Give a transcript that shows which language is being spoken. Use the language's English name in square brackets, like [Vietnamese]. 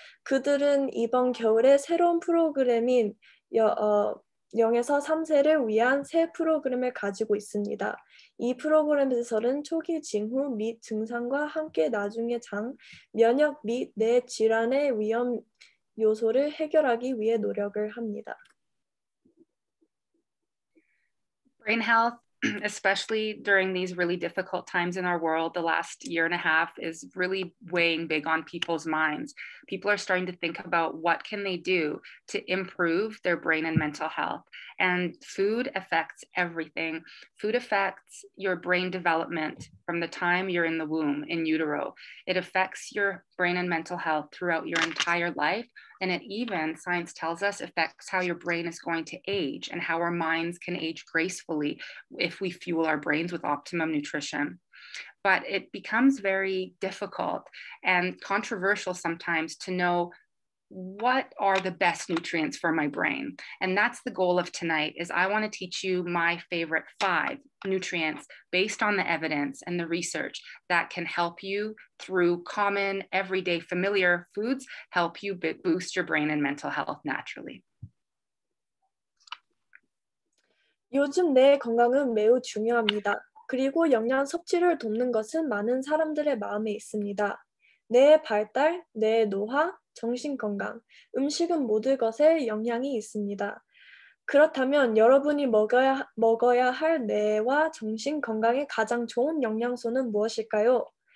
[Korean] 그들은 이번 겨울에 새로운 프로그램인 0에서 3세를 위한 새 프로그램을 가지고 있습니다. 이 프로그램에서는 초기 징후 및 증상과 함께 나중에 장, 면역 및 뇌 질환의 위험 요소를 해결하기 위해 노력을 합니다. [English] Brain health, especially during these really difficult times in our world, the last year and a half is really weighing big on people's minds. People are starting to think about what can they do to improve their brain and mental health. And food affects everything. Food affects your brain development from the time you're in the womb, in utero. It affects your brain and mental health throughout your entire life, And it even, science tells us, affects how your brain is going to age and how our minds can age gracefully if we fuel our brains with optimum nutrition. But it becomes very difficult and controversial sometimes to know what are the best nutrients for my brain. And that's the goal of tonight, is I want to teach you my favorite five nutrients based on the evidence and the research that can help you through common, everyday, familiar foods, help you boost your brain and mental health naturally. [Korean] 요즘 내 건강은 매우 중요합니다. 그리고 영양 섭취를 돕는 것은 많은 사람들의 마음에 있습니다. 뇌의 발달, 뇌의 노화, 정신건강, 음식은 모든 것에 영향이 있습니다. 그렇다면 여러분이 먹어야 할 뇌와 정신건강에 가장 좋은 영양소는 무엇일까요?